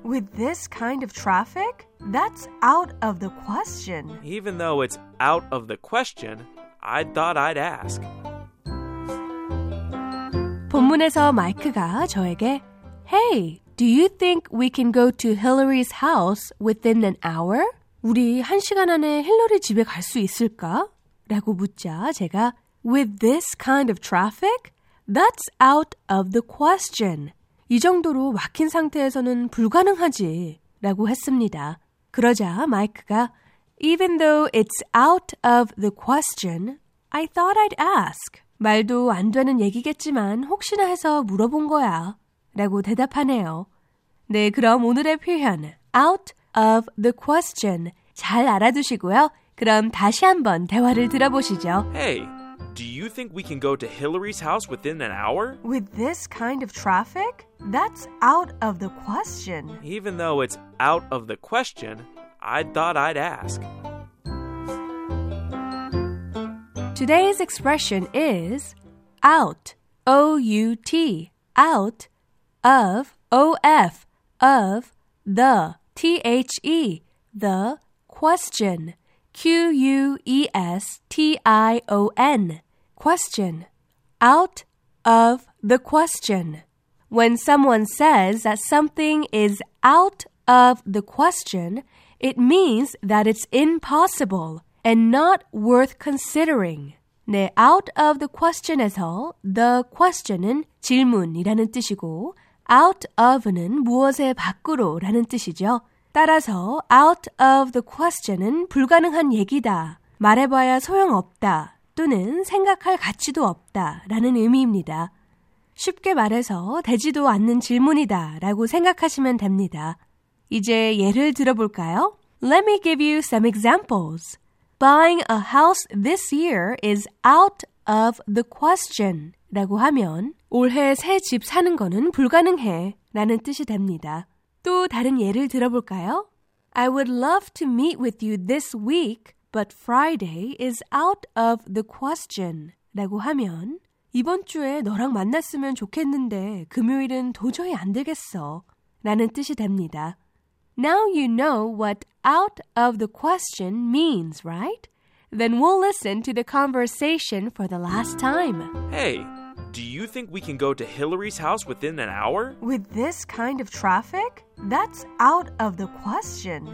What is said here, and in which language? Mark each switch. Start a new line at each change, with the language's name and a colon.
English: With this kind of traffic? That's out of the question. Even though it's out of the question, I thought I'd ask.
Korean: 본문에서 마이크가 저에게
English: Hey, do you think we can go to Hillary's house within an hour?
Korean: 우리 한 시간 안에 힐러리 집에 갈 수 있을까? 라고 묻자 제가
English: With this kind of traffic? That's out of the question.
Korean: 이 정도로 막힌 상태에서는 불가능하지 라고 했습니다. 그러자 마이크가
English: Even though it's out of the question, I thought I'd ask.
Korean: 말도 안 되는 얘기겠지만 혹시나 해서 물어본 거야. 라고 대답하네요. 네, 그럼 오늘의 표현 out of the question 잘 알아두시고요. 그럼 다시 한번 대화를 들어보시죠.
English: Hey, do you think we can go to Hillary's house within an hour? With this kind of traffic? That's out of the question. Even though it's out of the question, I thought I'd ask. Today's expression is out, O-U-T, out, of, O-F, of, the, T-H-E, the, question, Q-U-E-S-T-I-O-N, question, out of the question. When someone says that something is out of the question, it means that it's impossible and not worth considering.
Korean: 네, out of the question에서 the question은 질문이라는 뜻이고, Out of는 무엇의 밖으로라는 뜻이죠. 따라서 out of the question은 불가능한 얘기다, 말해봐야 소용없다, 또는 생각할 가치도 없다라는 의미입니다. 쉽게 말해서 되지도 않는 질문이다 라고 생각하시면 됩니다. 이제 예를 들어볼까요?
English: Let me give you some examples. Buying a house this year is out of the question.
Korean: 라고 하면 올해 새 집 사는 거는 불가능해 라는 뜻이 됩니다. 또 다른 예를 들어볼까요?
English: I would love to meet with you this week, but Friday is out of the question.
Korean: 라고 하면 이번 주에 너랑 만났으면 좋겠는데 금요일은 도저히 안 되겠어 라는 뜻이 됩니다.
English: Now you know what out of the question means, right? Then we'll listen to the conversation for the last time. Hey, do you think we can go to Hillary's house within an hour? With this kind of traffic? That's out of the question.